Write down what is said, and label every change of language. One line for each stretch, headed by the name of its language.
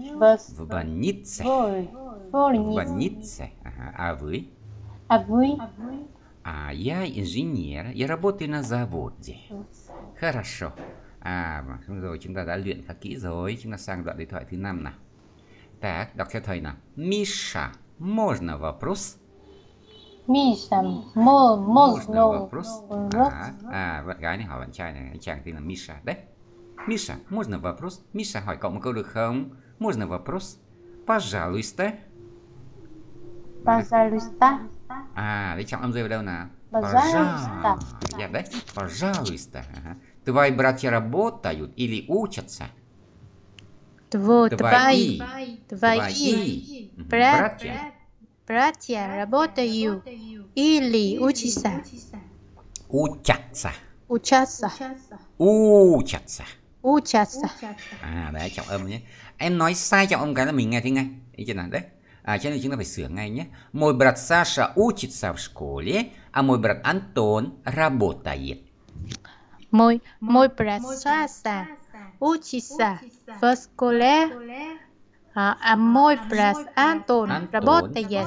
Russian: в больнице в больнице а вы А вы? А я инженер, я работаю на заводе. Хорошо.
Vietnamese: À, rồi chúng ta đã luyện khá kỹ rồi. Chúng ta sang đoạn điện thoại thứ năm nào. Так, đọc theo thầy nào.
Russian: Миша, можно вопрос? Миша, можно вопрос?
Vietnamese: À, bạn gái này hỏi bạn trai này, anh chàng tên là Миша đấy.
Russian: Миша, можно вопрос?
Vietnamese: Миша hỏi cậu một câu được không?
Russian: Можно вопрос? Пожалуйста. Пожалуйста.
Vietnamese: À, đấy trọng âm rơi vào đâu nào?
Russian: Пожалуйста.
Vietnamese: Dạ đấy, пожалуйста.
Russian: Твои братья работают или учатся? Твои братья. Братья работают или учатся? Учатся. Учатся. Учатся. Учатся.
Vietnamese: À, đấy trọng âm nhé. Em nói sai trọng âm cái là mình nghe thấy ngay. Thấy chưa nào? Đấy. À, cho nên chúng ta phải sửa ngay nhé.
Russian: Мой брат Саша учится в школе, а мой брат Антон работает. Мой брат Саша учится в школе, а мой брат Антон работает.